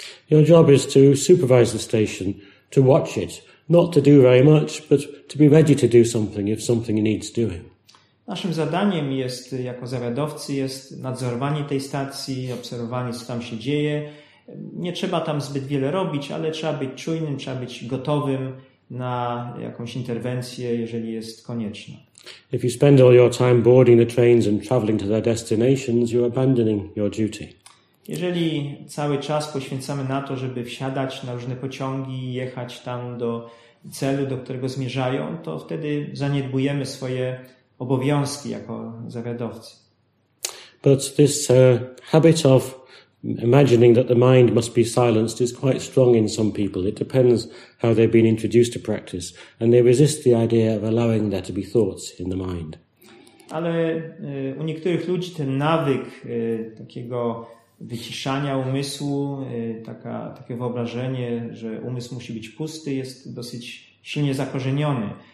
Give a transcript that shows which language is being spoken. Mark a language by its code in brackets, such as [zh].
[en] Your job is to supervise the station, to watch it, not to do very much, but to be ready to do something if something needs doing. [pl] Naszym zadaniem jest, jako zawiadowcy, jest nadzorowanie tej stacji, obserwowanie, co tam się dzieje. Nie trzeba tam zbyt wiele robić, ale trzeba być czujnym, trzeba być gotowym na jakąś interwencję, jeżeli jest konieczna. [en] If you spend all your time boarding the trains and traveling to their destinations, you're abandoning your duty. [pl] Jeżeli cały czas poświęcamy na to, żeby wsiadać na różne pociągi i jechać tam do celu, do którego zmierzają, to wtedy zaniedbujemy swoje obowiązki jako zawiadowcy. [en] But this habit of imagining that the mind must be silenced is quite strong in some people. It depends how they've been introduced to practice, and they resist the idea of allowing there to be thoughts in the mind. [pl] Ale u niektórych ludzi ten nawyk takiego wyciszania umysłu, takie wyobrażenie, że umysł musi być pusty, jest dosyć silnie zakorzeniony.